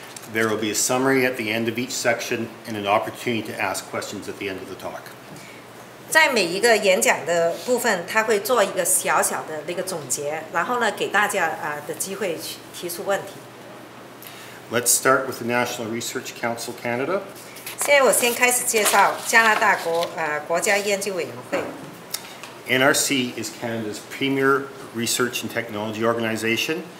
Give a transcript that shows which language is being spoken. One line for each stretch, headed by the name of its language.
English: There will be a summary at the end of each section and an opportunity to ask questions at the end of the talk.
Chinese: 在每一个演讲的部分，他会做一个小小的那个总结，然后呢，给大家的机会去提出问题。
English: Let's start with the National Research Council Canada.
Chinese: 现在我先开始介绍加拿大国国家研究委员会。
English: NRC is Canada's premier research and technology organization.